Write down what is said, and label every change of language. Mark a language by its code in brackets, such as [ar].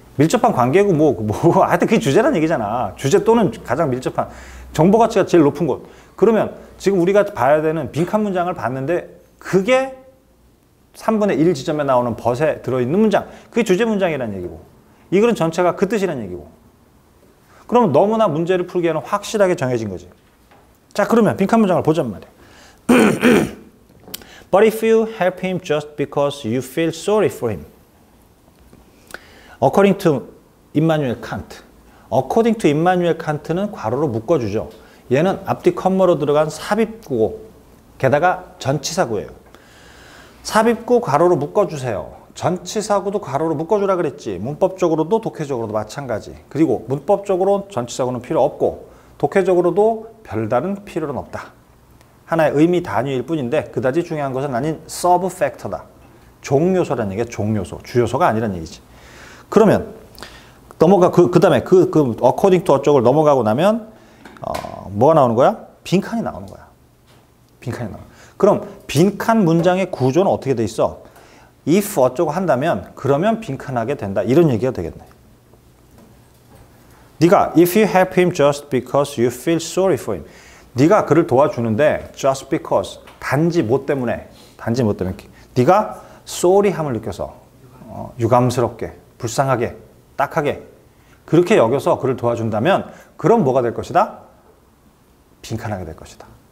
[ko] 밀접한 관계고 하여튼 그게 주제란 얘기잖아. 주제 또는 가장 밀접한 정보 가치가 제일 높은 곳. 그러면 지금 우리가 봐야 되는 빈칸 문장을 봤는데 그게 3분의 1 지점에 나오는 벗에 들어있는 문장, 그게 주제 문장이라는 얘기고, 이 글은 전체가 그 뜻이라는 얘기고, 그럼 너무나 문제를 풀기에는 확실하게 정해진 거지. 자, 그러면 빈칸 문장을 보자 말이야. [en] But if you help him just because you feel sorry for him, according to Immanuel Kant, according to Immanuel Kant는 [ko] 괄호로 묶어주죠. 얘는 앞뒤 콤마로 들어간 삽입구고, 게다가 전치사구예요. 삽입구 괄호로 묶어주세요. 전치사구도 괄호로 묶어주라 그랬지. 문법적으로도 독해적으로도 마찬가지. 그리고 문법적으로 전치사구는 필요 없고 독해적으로도 별다른 필요는 없다. 하나의 의미 단위일 뿐인데 그다지 중요한 것은 아닌 서브 팩터다. 종요소라는 얘기야. 종요소. 주요소가 아니라는 얘기지. 그러면 넘어가 그 다음에 [en] according to [ko] 어쩌고를 넘어가고 나면 뭐가 나오는 거야? 빈칸이 나오는 거야. 빈칸이 나와. 그럼 빈칸 문장의 구조는 어떻게 돼 있어? If 어쩌고 한다면 그러면 빈칸하게 된다. 이런 얘기가 되겠네. 네가 [en] if you help him just because you feel sorry for him. [ko] 네가 그를 도와주는데 [en] just because [ko] 단지 뭐 때문에 네가 sorry함을 느껴서 유감스럽게 불쌍하게 딱하게 그렇게 여겨서 그를 도와준다면 그럼 뭐가 될 것이다? 빈칸하게 될 것이다.